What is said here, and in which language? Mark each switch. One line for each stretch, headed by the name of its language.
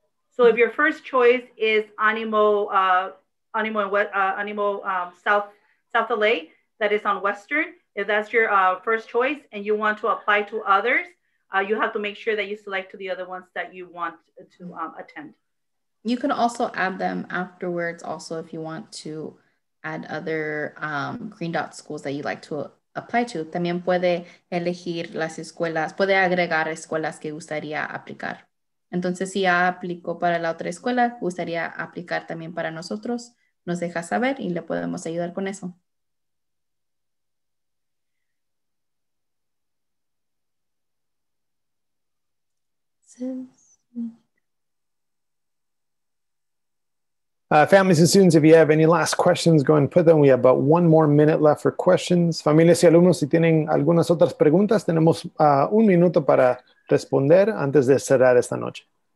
English: So if your first choice is ANIMO South LA, that is on Western, if that's your first choice and you want to apply to others, you have to make sure that you select to the other ones that you want to attend. You can also add them afterwards also if you want to add other green dot schools that you like to apply to.
Spanish: También puede elegir las escuelas, puede agregar escuelas que gustaría aplicar. Entonces, si ya aplicó para la otra escuela, gustaría aplicar también para nosotros, nos deja saber y le podemos ayudar con eso.
English: Families and students, if you have any last questions, go and put them. We have about one more minute left for questions.
Spanish: Familias y alumnos, si tienen algunas otras preguntas, tenemos un minuto para responder antes de cerrar esta noche.